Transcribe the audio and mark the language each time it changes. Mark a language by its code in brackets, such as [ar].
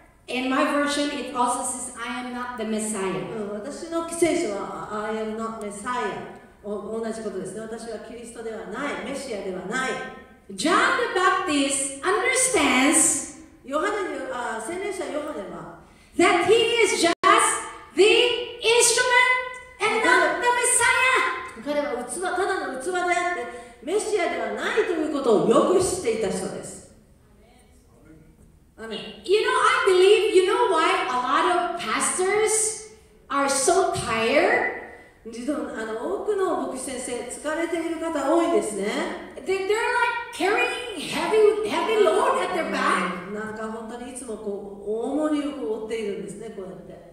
[en] In my version, it also says, I am not the Messiah. [ja] 私の聖書は、 [en] I am not Messiah. [ja] 同じことですね。私はキリストではない。メシアではない。 [en] John the Baptist understands [ja] ヨハネ、洗礼者ヨハネは [en] that he is just the instrument and not the Messiah. [ja] 彼は器、ただの器であって、メシアではないということをよく知っていた人です。 [en] You know, I believe, you know why a lot of pastors are so tired? [ja] あの、多くの牧師先生、疲れている方多いですね。 [en] They're like carrying heavy load at their back. [ja] なんか本当にいつもこう、重荷を負っているんですね、こうやって。